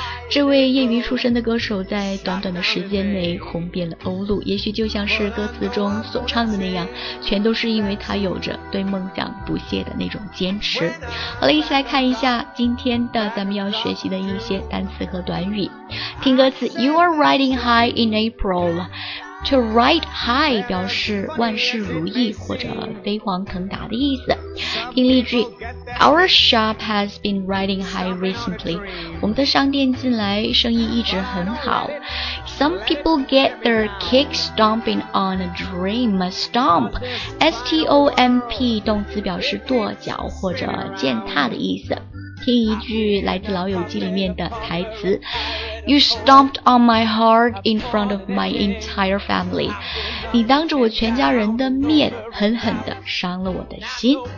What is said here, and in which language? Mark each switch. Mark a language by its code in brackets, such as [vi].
[zh] 这位业余出身的歌手在短短的时间内红遍了欧陆，也许就像是歌词中所唱的那样，全都是因为他有着对梦想不懈的那种坚持。好了，一起来看一下今天的咱们要学习的一些单词和短语。听歌词， [en] You are riding high in April. To ride high [zh] 表示万事如意或者飞黄腾达的意思。听例句， [en] Our shop has been riding high recently. [zh] 我们的商店近来生意一直很好。 [en] Some people get their kick stomping on a dream. [zh] Stomp, S-T-O-M-P, 动词表示跺脚或者践踏的意思。听一句来自老友记里面的台词， [en] You stomped on my heart in front of my entire family， [zh] 你当着我全家人的面狠狠地伤了我的心。